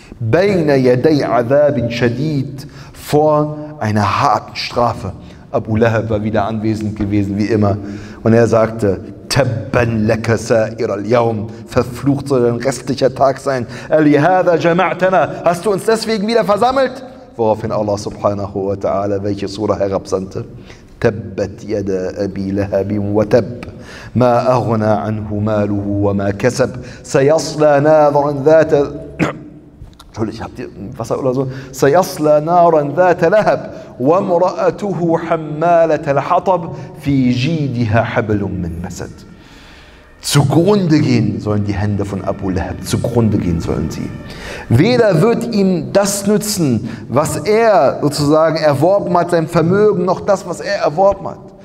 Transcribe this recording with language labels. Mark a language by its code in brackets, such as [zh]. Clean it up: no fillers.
[ar] بَيْنَ يَدَيْ عَذَابٍ شَدِيدٍ [de] Vor einer harten Strafe. Abu Lahab war wieder anwesend gewesen, wie immer. Und er sagte, [ar] تَبَّنْ لَكَ سَائِرَ الْيَوْمِ [de] Verflucht soll dein restlicher Tag sein. [ar] أَلِهَذَا جَمَعْتَنَا [de] Hast du uns deswegen wieder versammelt? Woraufhin Allah subhanahu wa ta'ala welche Surah herabsandte. [ar] تَبَّتْ يَدَ أَبِي لَهَبٍ وَتَبْ مَا أَغْنَى عَنْهُ مَالُهُ وَمَا كَسَبْ سَيَصْلَى نَارًا ذَاتَ [de] Entschuldigung, habt ihr Wasser oder so? [ar] سَيَصْلَى نَارًا ذَاتَ لَهَبْ وَمْرَأَتُهُ حَمَّالَةَ الْحَطَبْ فِي جِيدِهَا حَبْلٌ مِّنْ مَسَدْ [de] Zugrunde gehen sollen die Hände von Abu Lahab, zugrunde gehen sollen sie. Weder wird ihm das nützen, was er sozusagen erworben hat, sein Vermögen, noch das, was er erworben hat.